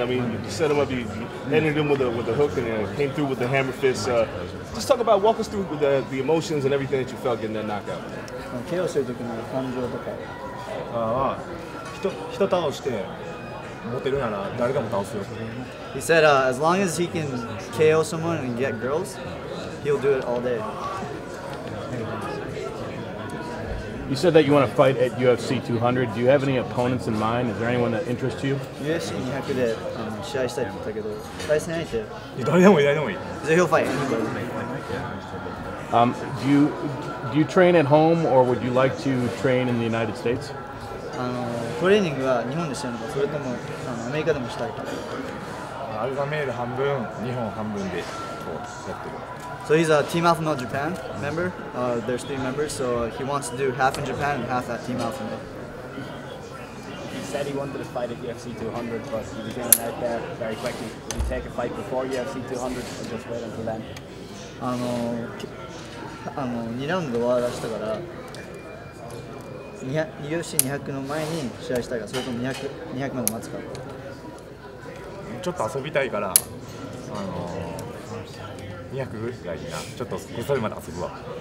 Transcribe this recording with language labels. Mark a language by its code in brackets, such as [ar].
[en] I mean, you set him up, you landed him with a hook and came through with the hammer fist. Just talk about, walk us through the emotions and everything that you felt getting that knockout. [ja] KO するときの感情とか。人倒して持てるなら誰でも倒すよ。 [en] He said, as long as he can KO someone and get girls, he'll do it all day. You said that you want to fight at UFC 200. Do you have any opponents in mind? Is there anyone that interests you? [ja] UFC 200で試合したいって言ったけど、対戦相手。誰でもいい、誰でもいい。 [en] So he'll fight anybody. Do you train at home or would you like to train in the United States? [ja] トレーニングは日本でしたのか、それともアメリカでもしたいか。アルファメール半分、日本半分でこうやってる。 [en] So he's a Team Alpha Male Japan member. There's three members, so he wants to do half in Japan and half at Team Alpha Male. He said he wanted to fight at UFC 200, but he was in and out there very quickly. Would he take a fight before UFC 200 or just wait until then? [ja] 2ラウンドは出したから、UFC 200の前に試合したいか、それとも200まで待つか。ちょっと遊びたいから、200ぐらいな。ちょっとそれまで遊ぶわ。